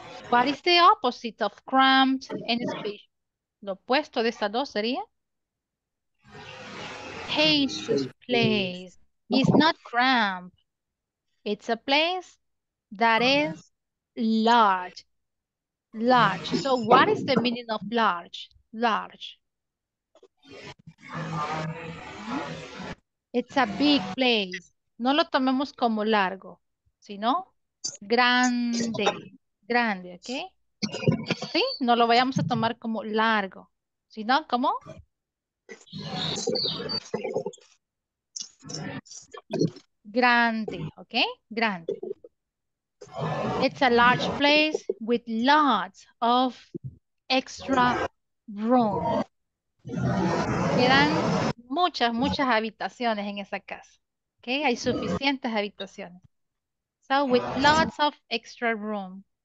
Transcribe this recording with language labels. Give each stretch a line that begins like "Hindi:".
English: What is the opposite of cramped and spacious?
Spanish: Lo opuesto de estas dos sería spacious place.
English: It's not cramped. It's a place that is large. Large. So what is the meaning of large? Large. It's a big place.
Spanish: No lo tomemos como largo, sino grande, grande, ¿ok? Sí, no lo vayamos a tomar como largo, sino como grande, ¿ok? Grande.
English: It's a large place with lots of extra rooms.
Spanish: Quedan muchas, muchas habitaciones en esa casa.
English: Okay,
Spanish: hay suficientes habitaciones.
English: So, with lots of extra room.